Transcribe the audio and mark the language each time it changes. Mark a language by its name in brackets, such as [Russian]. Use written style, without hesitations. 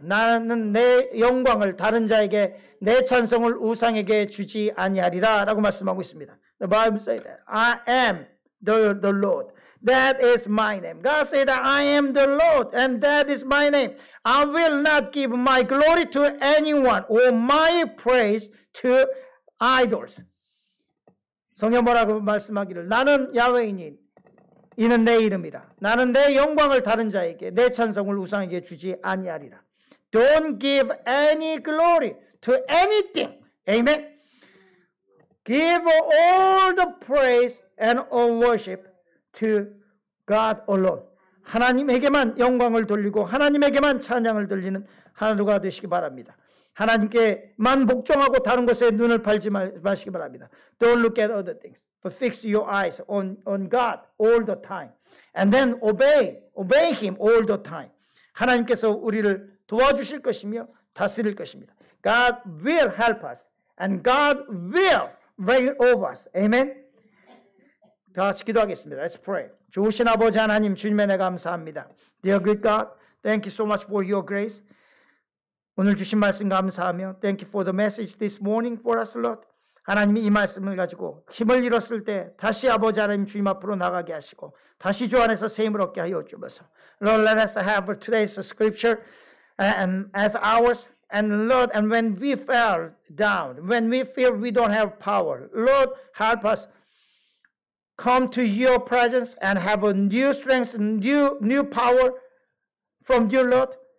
[Korean] 나는 내 영광을 다른 자에게, 내 찬송을 우상에게 주지 아니하리라 라고 말씀하고 있습니다. [English] The Bible says that I am the Lord. That is my name. God said that I am the Lord and that is my name. I will not give my glory to anyone or my praise to idols. [Korean] 성경 뭐라고 말씀하기를, 나는 야훼이니 이는 내 이름이라. 나는 내 영광을 다른 자에게, 내 찬송을 우상에게 주지 아니하리라. [English] Don't give any glory to anything. Amen. Give all the praise and all worship to God alone. [Korean] 하나님에게만 영광을 돌리고 하나님에게만 찬양을 돌리는 하나님과 되시기 바랍니다. 하나님께만 복종하고 다른 것에 눈을 팔지 마시기 바랍니다. [English] Don't look at other things. But fix your eyes on God all the time. And then obey Him all the time. [Korean] 하나님께서 우리를 도와주실 것이며 다스릴 것입니다. [English] God will help us. And God will reign over us. Amen. [Korean] 다 같이 기도하겠습니다. [English] Let's pray. [Korean] 좋으신 아버지 하나님, 주님의 내 감사합니다. [English] Dear good God, thank you so much for your grace. [Korean] 오늘 주신 말씀 감사하며 [English] Thank you for the message this morning for us, Lord. [Korean] 하나님이 이 말씀을 가지고 힘을 잃었을 때 다시 아버지 하나님 주님 앞으로 나가게 하시고 다시 주 안에서 새 힘을 얻게 하여 주소서. [English] Lord, let us have today's scripture and as ours. And Lord, and when we fell down, when we feel we don't have power, Lord, help us come to your presence and have a new strength, new power from you, Lord.